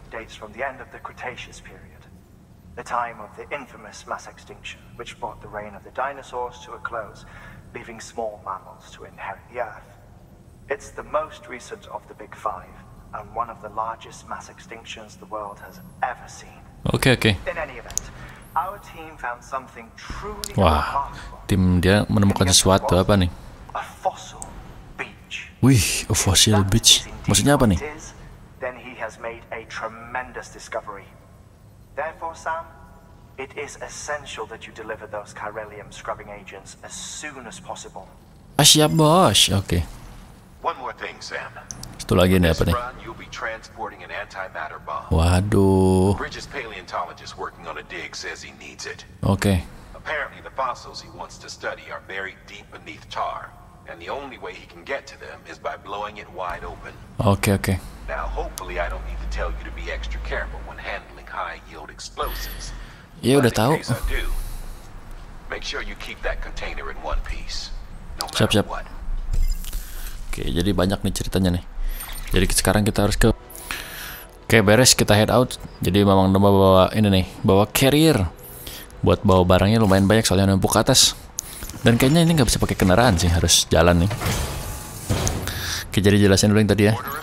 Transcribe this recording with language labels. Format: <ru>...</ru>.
<en>dates from the end of the Cretaceous period, the time of the infamous mass extinction, which brought the reign of the dinosaurs to a close, leaving small mammals to inherit the Earth. It's the most recent of the Big Five, and one of the largest mass extinctions the world has ever seen. Okay. In any event, our team found something truly remarkable.</en> <id>Tim dia menemukan sesuatu apa nih?</id> <en>A fossil beach.</en> <id>Wih,</id> <en>a fossil beach.</en> <id>Maksudnya apa nih?</id> <en>Then he has made a tremendous discovery. Therefore, Sam, it is essential that you deliver those chirellium scrubbing agents as soon as possible.</en> <id>Siap, bos. Okay.</id> <en>One more thing, Sam.</en> <id>Satu lagi nih apa nih?</id> <en>You'll be transporting an antimatter bomb.</en> <id>Waduh.</id> <en>Bridges paleontologist working on a dig says he needs it. Okay. Apparently the fossils he wants to study are buried deep beneath tar, and the only way he can get to them is by blowing it wide open. Okay. Now hopefully I don't need to tell you to be extra careful when handling high yield explosives.</en> <id>Yeah, udah tahu.</id> <en>Make sure you keep that container in one piece.</en> <id>Siap. Okay, jadi banyak nih ceritanya nih. Jadi sekarang kita harus ke. Okay, beres kita</id> <en>head out.</en> <id>Jadi memang udah bawa ini nih, bawa carrier. Buat bawa barangnya lumayan banyak soalnya numpuk ke atas. Dan kayaknya ini gak bisa pakai kendaraan sih, harus jalan nih. Oke, jadi jelasin dulu yang tadi ya.</id>